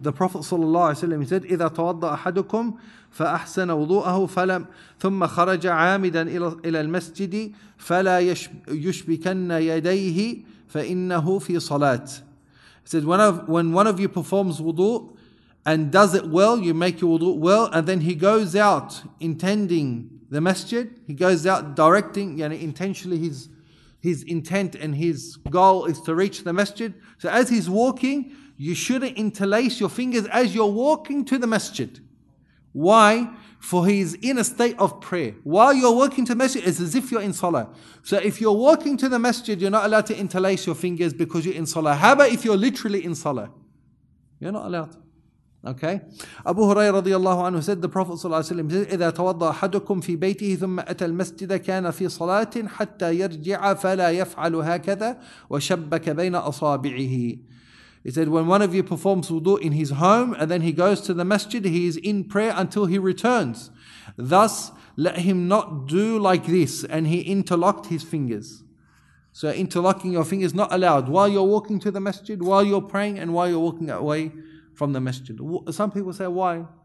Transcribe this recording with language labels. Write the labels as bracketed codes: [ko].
[en] The Prophet sallallahu alaihi wasallam said, [ar] "إذا توضأ أحدكم فأحسن وضوءه فلم ثم خرج عامدا إلى المسجد فلا يشبكن يديه فإنه في صلاة." [en] It says, when one of you performs wudu and does it well, you make your wudu well, and then he goes out intending the masjid. He goes out directing, yani intentionally his intent and his goal is to reach the masjid. So as he's walking, you shouldn't interlace your fingers as you're walking to the masjid. Why? For he's in a state of prayer. While you're walking to the masjid, it's as if you're in salah. So if you're walking to the masjid, you're not allowed to interlace your fingers because you're in salah. How about if you're literally in salah? You're not allowed. Okay. Abu Hurairah radiyallahu anhu said, the Prophet sallallahu alaihi wasallam said, [ar] "إذا توضى أحدكم في بيته ثم أتى المسجد كان في صلاة حتى يرجع فلا يفعل هكذا وشبك بين أصابعه." [en] He said, when one of you performs wudu in his home and then he goes to the masjid, he is in prayer until he returns. Thus, let him not do like this. And he interlocked his fingers. So interlocking your fingers not allowed while you're walking to the masjid, while you're praying, and while you're walking away from the masjid. Some people say, why?